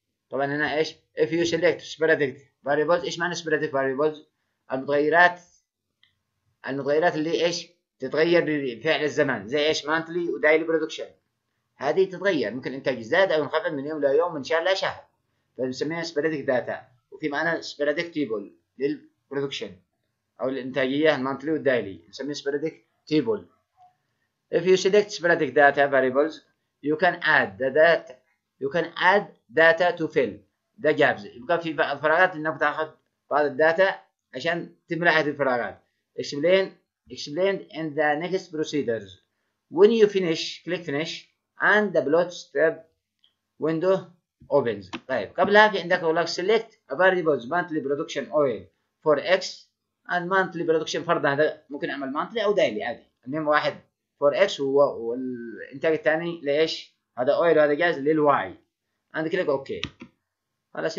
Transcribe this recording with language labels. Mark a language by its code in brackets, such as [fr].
[ar] طبعا هنا ايش؟ [en] if you select sporadic variables [ar] ايش معنى sporadic variables؟ المتغيرات اللي ايش؟ تتغير بفعل الزمن زي ايش؟ monthly و daily production هذه تتغير ممكن انتاج زاد او انخفض من يوم ليوم من شهر لشهر فبنسميها sporadic data وفي معنى sporadic table لل production او الانتاجيه المونثلي والدايلي نسميه sporadic table. [en] if you select sporadic data variables you can add the data you can add data to fill the gaps [ar] يبقى في بعض الفراغات انك تاخذ بعض الداتا عشان تملى هذه الفراغات. [en] explain in the next procedures when you finish click finish and the plots tab window opens. [ar] طيب قبلها في عندك يقول لك [en] select variables monthly production [ar] oil for x and monthly production فرضا هذا ممكن اعمل monthly او daily عادي المهم واحد for x والانتاج الثاني ليش؟ هذا اويل وهذا جاز للواي عندك كليك اوكي خلاص.